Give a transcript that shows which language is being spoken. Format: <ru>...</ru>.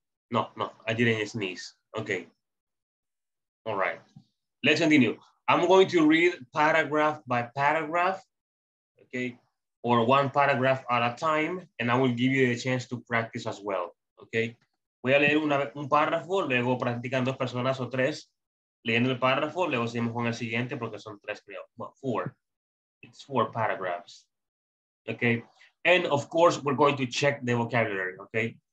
<en>No, I didn't sneeze. Okay, all right, let's continue. I'm going to read paragraph by paragraph, okay, or one paragraph at a time, and I will give you a chance to practice as well, okay?</en> <es>Voy a leer un párrafo, luego practican dos personas o tres, leyendo el párrafo, luego seguimos con el siguiente, porque son tres, creo,</es> <en>well, four. It's four paragraphs, okay? And of course, we're going to check the vocabulary, okay?</en>